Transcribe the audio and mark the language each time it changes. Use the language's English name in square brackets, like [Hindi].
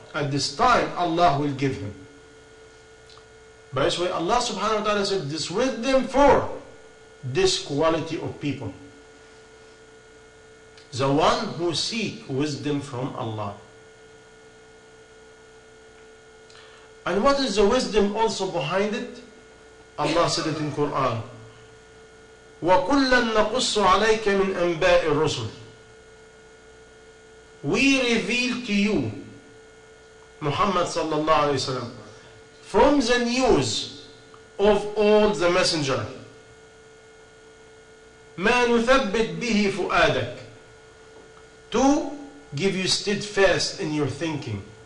[English] At this time, Allah will give him. By this way, Allah subhanahu wa ta'ala said, this wisdom for this quality of people. The one who seek wisdom from Allah. And what is the wisdom also behind it? Allah said it in Quran, [Arabic] وَكُلَّا نَقُصُّ عَلَيْكَ مِنْ أَنْبَاءِ الرُّسُلِ. [English] We reveal to you, Muhammad sallallahu alayhi wa sallam, from the news of all the messenger, [Arabic] مَا نُثَبِّتْ بِهِ فُؤَادَكَ, [English] to give you steadfast in your thinking.